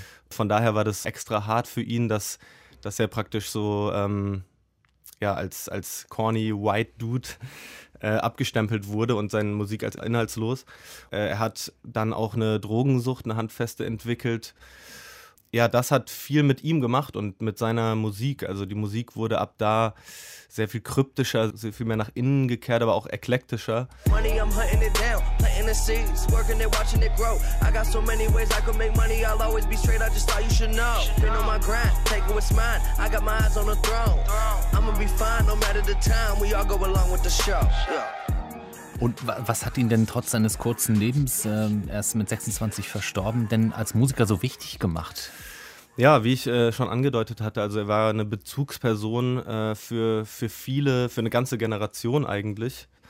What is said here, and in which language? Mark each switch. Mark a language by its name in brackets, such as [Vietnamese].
[German] Von daher war das extra hart für ihn, dass er praktisch so ja, als [English] corny white dude [German] abgestempelt wurde und seine Musik als inhaltslos. Er hat dann auch eine Drogensucht, eine Handfeste entwickelt. Ja, das hat viel mit ihm gemacht und mit seiner Musik. Also die Musik wurde ab da sehr viel kryptischer, sehr viel mehr nach innen gekehrt, aber auch eklektischer. [English] Money, I'm hunting it down, planting the seeds, working it, watching it grow. I got so many ways I could make money, I'll always be straight, I just thought you should know. Been on my grind, taking what's mine, I got my eyes on the throne. I'ma be fine, no matter the time, we all go along with the show. [German] Und was hat ihn denn trotz seines kurzen Lebens, er ist mit 26 verstorben, denn als Musiker so wichtig gemacht? Ja, wie ich schon angedeutet hatte, also er war eine Bezugsperson für viele, für eine ganze Generation eigentlich.